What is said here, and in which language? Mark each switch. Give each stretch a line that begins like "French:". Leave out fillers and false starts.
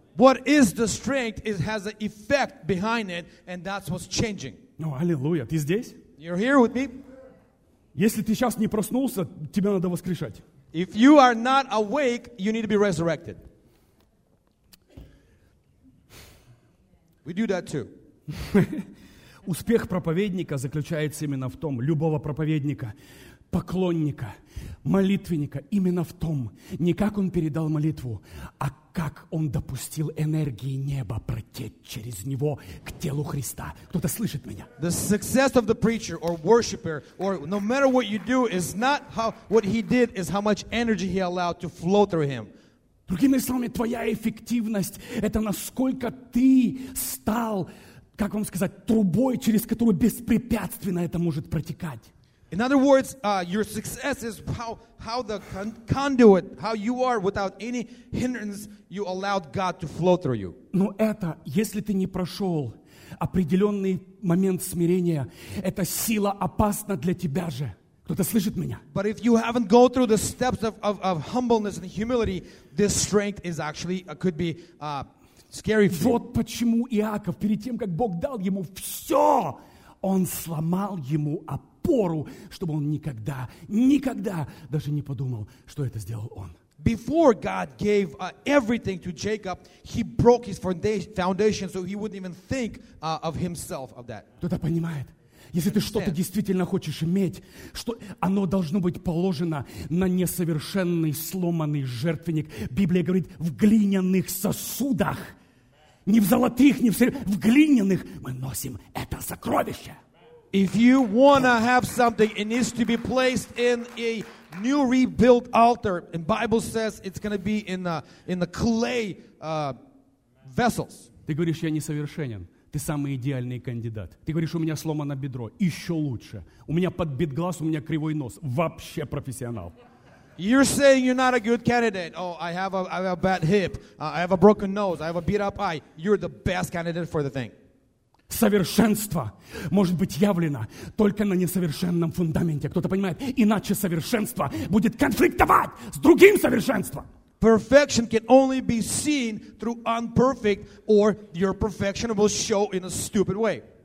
English: What is the strength? It has an effect behind it, and that's what's changing.
Russian: Ну, аллилуйя, ты здесь?
English: You're here with me.
Russian: Если ты сейчас не проснулся, тебе надо воскрешать.
English: If you are not awake, you need to be resurrected. We do that too.
Russian: Успех проповедника заключается именно в том, любого проповедника, поклонника, молитвенника, именно в том, не как он передал молитву, а как он допустил энергии неба протечь через него к телу Христа. Кто-то слышит меня?
English: The success of the preacher or worshiper or no matter what you do is not how what he did is how much energy he allowed to flow through him.
Russian: Другими словами, твоя эффективность – это насколько ты стал, как вам сказать, трубой, через которую беспрепятственно это может протекать.
English: In other words, your success is how the conduit, how you are without any hindrance, you allowed God to flow through you.
Russian: Но это, если ты не прошел определенный момент смирения, эта сила опасна для тебя же. Кто-то слышит меня?
English: But if you haven't gone through the steps of humbleness and humility, this strength is actually could be scary for you.
Russian: Вот почему Иаков, перед тем, как Бог дал ему все, он сломал ему опору, чтобы он никогда, никогда даже не подумал, что это сделал он.
English: Before God gave everything to Jacob, he broke his foundation so he wouldn't even think of himself of that. Кто-то понимает?
Russian: Если ты что-то действительно хочешь иметь, что оно должно быть положено на несовершенный, сломанный жертвенник. Библия говорит, в глиняных сосудах, не в золотых, не в серебряных, в глиняных мы носим это сокровище.
English: If you want to have something, it needs to be placed in a new rebuilt altar. And Bible says it's going to be in the clay vessels.
Russian: Ты говоришь, я несовершенен. Ты самый идеальный кандидат. Ты говоришь, у меня сломано бедро. Еще лучше. У меня подбит глаз, у меня кривой нос. Вообще профессионал.
English: You're saying you're not a good candidate. Oh, I have a bad hip. I have a broken nose. I have a beat up eye. You're the best candidate for the thing.
Russian: Совершенство может быть явлено только на несовершенном фундаменте. Кто-то понимает? Иначе совершенство будет конфликтовать с другим совершенством.
English: Perfection can only be seen through unperfect, or your perfection will show in a stupid way.